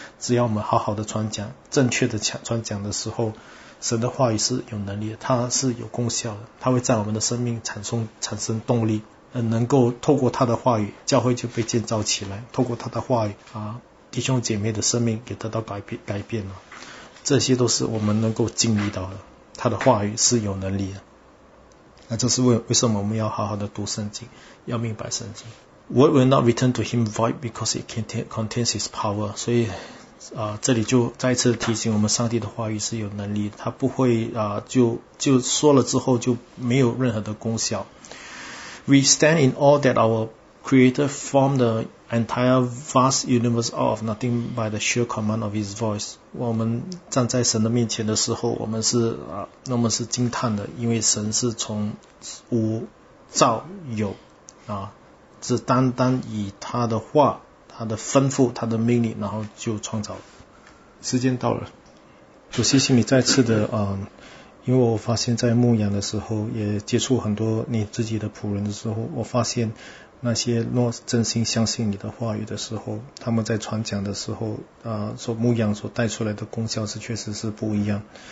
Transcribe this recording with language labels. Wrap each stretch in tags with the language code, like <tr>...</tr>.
<zh>只要我们好好的传讲，正确的传讲的时候，神的话语是有能力的，它是有功效的，它会在我们的生命产生动力，能够透过他的话语，教会就被建造起来，透过他的话语啊，弟兄姐妹的生命也得到改变了，这些都是我们能够经历到的，他的话语是有能力的。那这是为什么我们要好好的读圣经，要明白圣经。</zh> <en>Word will not return to him void because it contains his power.</en> <zh>所以这里就再次提醒我们，上帝的话语是有能力的，他不会就说了之后就没有任何的功效。</zh> <en>We stand in awe that our Creator formed the entire vast universe out of nothing by the sheer command of His voice.</en> <zh>我们站在神的面前的时候，我们是惊叹的，因为神是从无造有啊，是单单以他的话、他的吩咐、他的命令，然后就创造。时间到了，主谢谢你再次的因为我发现在牧养的时候，也接触很多你自己的仆人的时候，我发现那些若真心相信你的话语的时候，他们在传讲的时候所牧养所带出来的功效是确实是不一样。</zh>